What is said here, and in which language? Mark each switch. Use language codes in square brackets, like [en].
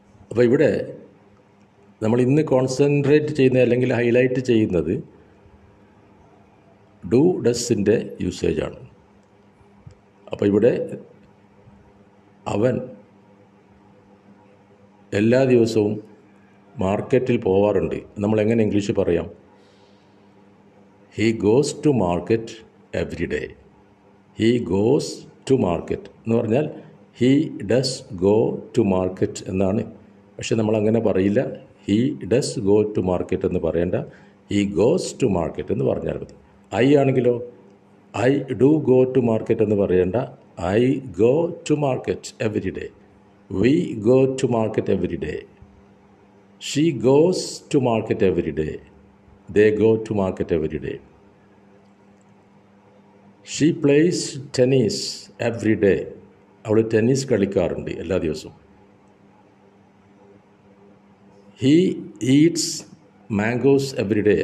[ml] അപ്പോൾ ഇവിടെ നമ്മൾ ഇന്ന് കോൺസെൻട്രേറ്റ് ചെയ്യുന്നത് അല്ലെങ്കിൽ ഹൈലൈറ്റ് ചെയ്യുന്നത് ഡു ഡസിൻ്റെ യൂസേജാണ്. അപ്പോൾ ഇവിടെ അവൻ എല്ലാ ദിവസവും മാർക്കറ്റിൽ പോവാറുണ്ട്. നമ്മളെങ്ങനെ ഇംഗ്ലീഷ് പറയാം? [en] He goes to market every day. He goes to market. എന്ന് പറഞ്ഞാൽ He does go to market എന്നാണ്. പക്ഷേ നമ്മളങ്ങനെ പറയില്ല, He does go to market എന്ന് പറയേണ്ട, He goes to market എന്ന് പറഞ്ഞാൽ മതി. ഐ ആണെങ്കിലോ I do go to market എന്ന് പറയേണ്ട, I go to market every day. We go to market every day. She goes to market every day. They go to market every day. She plays tennis every day. [ml] അവൾ tennis കളിക്കാറുണ്ട് എല്ലാ ദിവസവും. [en] He eats mangoes every day.